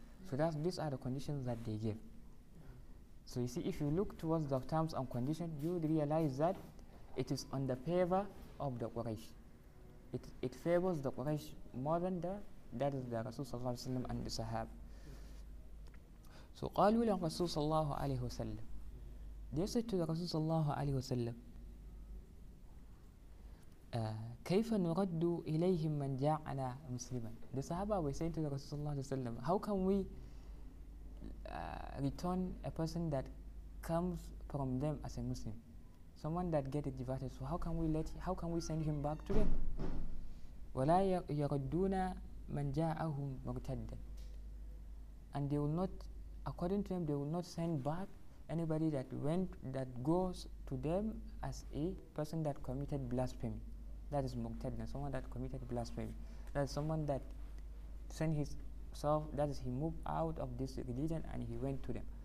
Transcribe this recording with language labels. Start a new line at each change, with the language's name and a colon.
English: So these are the conditions that they give. So you see, if you look towards the terms and conditions, you would realize that it is on the favor of the Quraysh. It favors the Quraysh more than that is the Rasul Sallallahu Alaihi Wasallam and the Sahab.
Arabic: So قالوا للرسول صلى الله عليه وسلم.
English: They said to the Rasul
Arabic: صلى الله عليه وسلم, كيف نرد إليهم من جاءنا مسلما.
English: The Sahaba were saying to the Rasul
Arabic: صلى الله عليه وسلم,
English: how can we return a person that comes from them as a Muslim, someone that gets diverted? So how can we send him back to them?
Arabic: ولا يردون من جاءهم مرتدا.
English: And they will not, according to them, they will not send back anybody that goes to them as a person that committed blasphemy. That is murtadness, someone that committed blasphemy. That is someone that sent himself, that is, he moved out of this religion and he went to them.